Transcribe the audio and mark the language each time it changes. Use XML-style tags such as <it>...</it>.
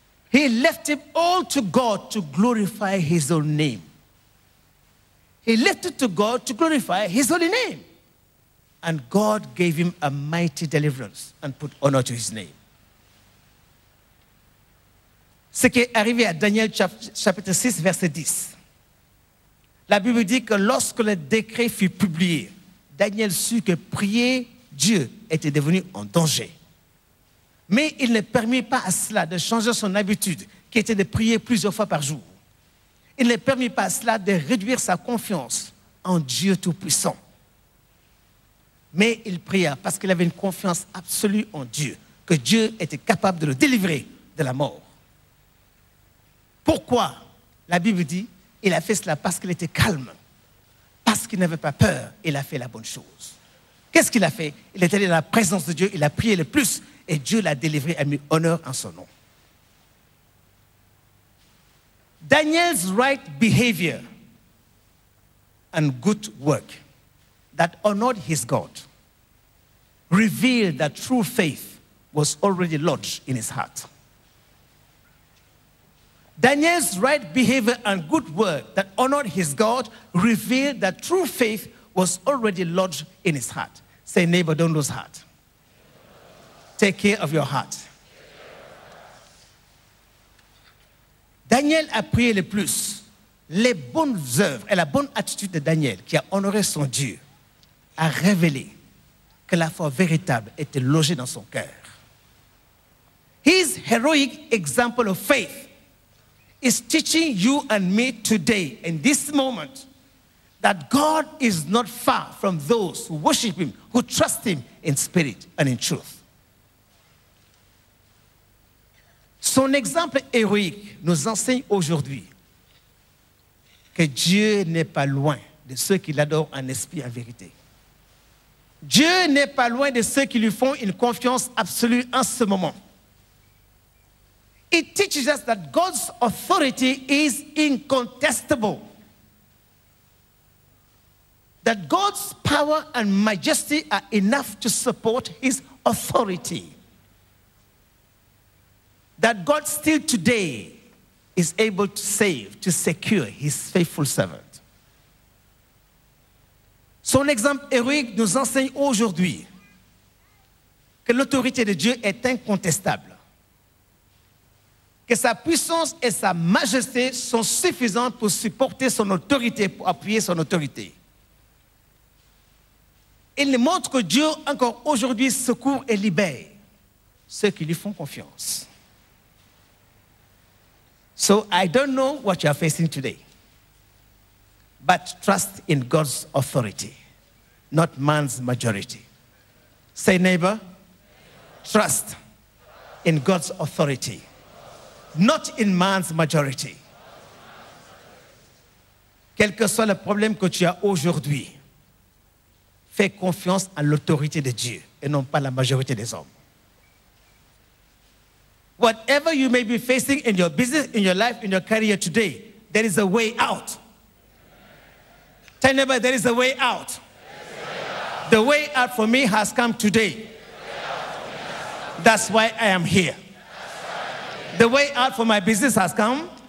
<en>He left it all to God to glorify his own name. He left it to God to glorify his holy name. And God gave him a mighty deliverance and put honor to his name.</en> <fr>Ce qui est arrivé à Daniel chapitre 6, verset 10. La Bible dit que lorsque le décret fut publié, Daniel sut que prier Dieu était devenu en danger. Mais il ne permit pas à cela de changer son habitude, qui était de prier plusieurs fois par jour. il ne permet pas cela de réduire sa confiance en Dieu Tout-Puissant. Mais il pria parce qu'il avait une confiance absolue en Dieu, que Dieu était capable de le délivrer de la mort. Pourquoi? La Bible dit, il a fait cela parce qu'il était calme, parce qu'il n'avait pas peur, il a fait la bonne chose. Qu'est-ce qu'il a fait? Il est allé dans la présence de Dieu, il a prié le plus et Dieu l'a délivré et a mis honneur en son nom.</fr> <en>Daniel's right behavior and good work that honored his God revealed that true faith was already lodged in his heart. Daniel's right behavior and good work that honored his God revealed that true faith was already lodged in his heart. Say, neighbor, don't lose heart. Take care of your heart.</en> <fr>Daniel a prié le plus. Les bonnes œuvres et la bonne attitude de Daniel, qui a honoré son Dieu, a révélé que la foi véritable était logée dans son cœur.</fr> <en>His heroic example of faith is teaching you and me today, in this moment, that God is not far from those who worship him, who trust him in spirit and in truth.</en> <fr>Son exemple héroïque nous enseigne aujourd'hui que Dieu n'est pas loin de ceux qui l'adorent en esprit et en vérité. Dieu n'est pas loin de ceux qui lui font une confiance absolue en ce moment.</fr> <en>It teaches us that God's authority is incontestable. That God's power and majesty are enough to support his authority. That God still today is able to save, to secure his faithful servant.</en> <fr>Son exemple héroïque nous enseigne aujourd'hui que l'autorité de Dieu est incontestable, que sa puissance et sa majesté sont suffisantes pour supporter son autorité, pour appuyer son autorité. Il nous montre que Dieu encore aujourd'hui secourt et libère ceux qui lui font confiance.</fr> <en>So I don't know what you are facing today, but trust in God's authority, not man's majority. Say, neighbor, trust in God's authority, not in man's majority.</en> <fr>Quel que soit le problème que tu as aujourd'hui, fais confiance à l'autorité de Dieu et non pas la majorité des hommes.</fr> <en>Whatever you may be facing in your business, in your life, in your career today, there is a way out. Tell neighbor, there is a way out. The way out for me has come today. That's why I am here. The way out for my business has come.</en>